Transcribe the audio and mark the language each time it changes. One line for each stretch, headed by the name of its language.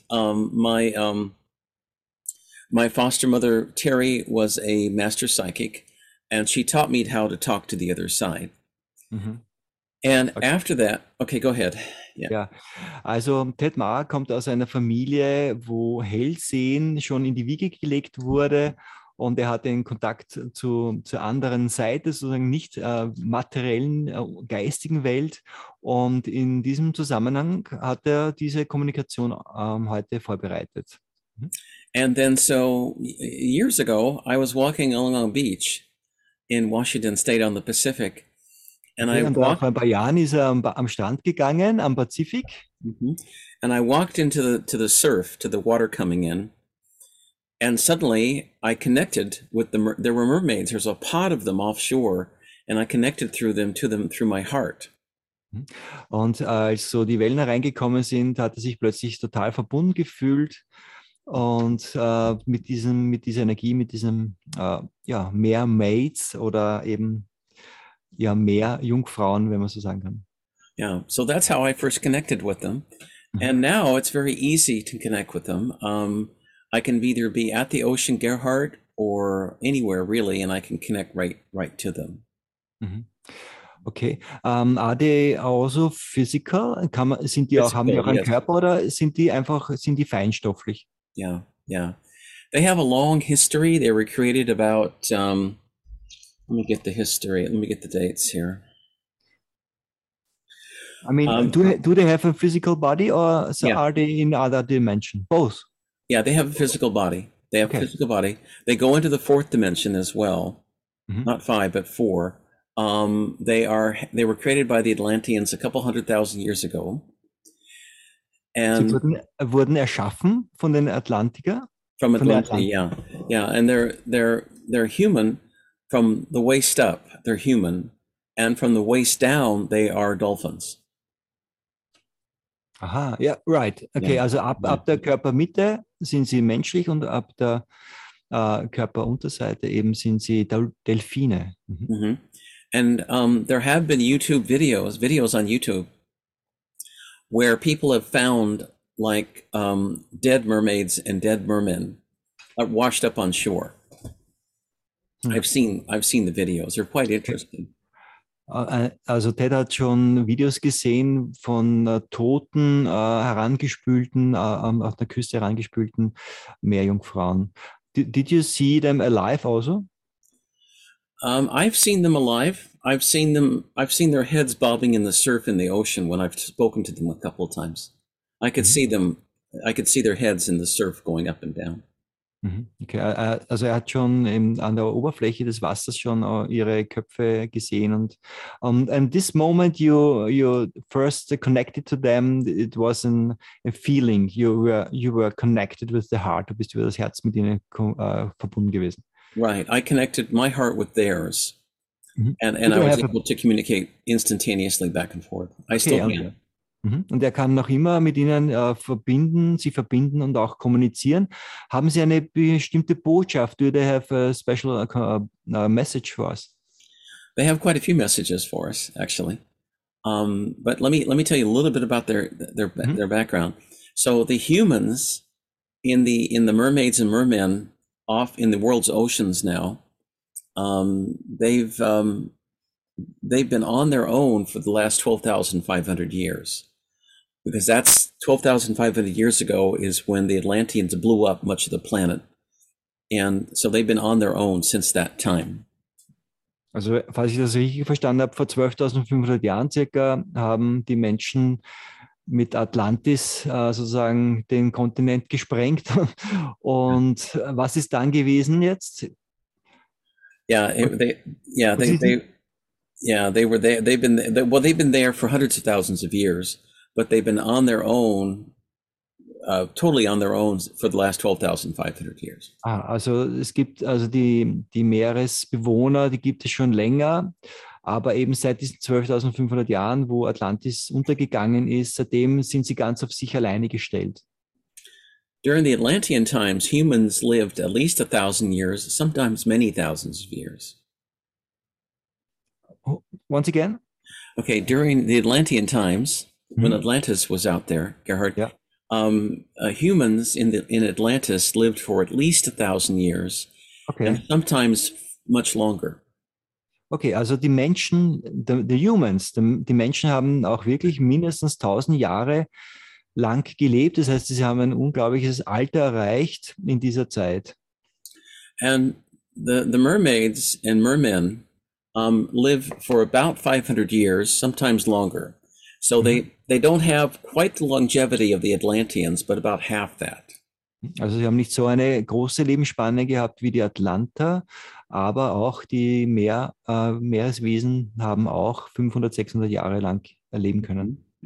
English: And my foster mother, Terry, was a master psychic. And she taught me how to talk to the other side. Mm-hmm. And okay. after that, okay, go ahead. Yeah. Yeah.
German: Also Ted Mahr kommt aus einer Familie, wo Hellsehen schon in die Wiege gelegt wurde und er hat den Kontakt zur anderen Seite, sozusagen nicht materiellen, geistigen Welt. Und in diesem Zusammenhang hat er diese Kommunikation heute vorbereitet.
English: And then so years ago, I was walking along a beach in Washington State on the Pacific. And I walked.
German: Ein paar Jahren ist er am Strand gegangen, am Pazifik. Mm-hmm.
English: And I walked into the surf, to the water coming in. And suddenly I connected with the, there were mermaids. There's a pod of them offshore. And I connected through them to them through my heart.
German: Und als so die Wellen reingekommen sind, hat er sich plötzlich total verbunden gefühlt. Und mit dieser Energie, mit diesem ja, Mermaids oder eben ja, mehr Jungfrauen, wenn man so sagen kann.
English: Yeah, so that's how I first connected with them. And now it's very easy to connect with them. I can either be at the ocean, Gerhard, or anywhere really, and I can connect right to them. Okay, are they also physical?
German: Haben die auch einen Körper oder sind die feinstofflich?
English: Yeah. They have a long history. They were created about... Let me get the dates here. I mean, do they have a physical body or so yeah. are they in other dimension? Both. Yeah, they have a physical body. They have okay. a physical body. They go into the fourth dimension as well. Mm-hmm. Not five, but four. They were created by the Atlanteans a couple hundred thousand years ago.
German: And wurden erschaffen von den Atlantiker?
English: From Atlantis, yeah. Yeah, and they're human. From the waist up, they're human, and from the waist down, they are dolphins. Aha, yeah, right.
German: Okay, yeah. Also ab der Körpermitte sind sie menschlich und ab der Körperunterseite eben sind sie Delfine. Mm-hmm. Mm-hmm.
English: And there have been YouTube videos on YouTube, where people have found like dead mermaids and dead mermen washed up on shore. I've seen the videos. They're quite interesting.
German: Also Ted hat schon Videos gesehen von toten, herangespülten, auf der Küste herangespülten Meerjungfrauen.
English: Did you see them alive also? I've seen them alive. I've seen their heads bobbing in the surf in the ocean when I've spoken to them a couple of times. I could see them. I could see their heads in the surf going up and down.
German: Okay, also er hat schon im, an der Oberfläche des Wassers schon ihre Köpfe gesehen und
English: and this moment you first connected to them, it was a feeling. You were connected with the heart.
German: Du bist über das Herz mit ihnen verbunden gewesen.
English: Right, I connected my heart with theirs, and Did I you was have a able to communicate instantaneously back and forth. I still okay, can.
German: und Und er kann noch immer mit Ihnen verbinden, Sie verbinden und auch kommunizieren. Haben Sie eine bestimmte Botschaft?
English: Do they have a special message for us? They have quite a few messages for us, actually. But let me tell you a little bit about their background. So the humans in the Mermaids and Mermen off in the world's oceans now, they've been on their own for the last 12,500 years, because that's 12,500 years ago is when the Atlanteans blew up much of the planet, and so they've been on their own since that time.
German: Also, falls ich das richtig verstanden habe, vor 12.500 Jahren circa haben die Menschen mit Atlantis sozusagen den Kontinent gesprengt. Und was ist dann gewesen jetzt? Was ist denn?
English: They were there. They've been there for hundreds of thousands of years, but they've been on their own, totally on their own for the last 12,500 years.
German: Ah, also es gibt also die Meeresbewohner, die gibt es schon länger, aber eben seit diesen 12.500 Jahren, wo Atlantis untergegangen ist, seitdem sind sie ganz auf sich alleine gestellt.
English: During the Atlantean times, humans lived at least 1,000 years, sometimes many thousands of years. Once again? Okay, during the Atlantean times, when Atlantis was out there, Gerhard, humans in Atlantis lived for at least 1,000 years, and sometimes much longer.
German: Okay, also die Menschen, die Menschen haben auch wirklich mindestens 1000 Jahre lang gelebt. Das heißt, sie haben ein unglaubliches Alter erreicht in dieser Zeit.
English: And the mermaids and mermen live for about 500 years, sometimes longer. So they don't have quite the longevity of the Atlanteans, but about half that.
German: Also sie haben nicht so eine große Lebensspanne gehabt wie die Atlanta, aber auch die Meereswesen haben auch 500, 600 Jahre lang erleben können.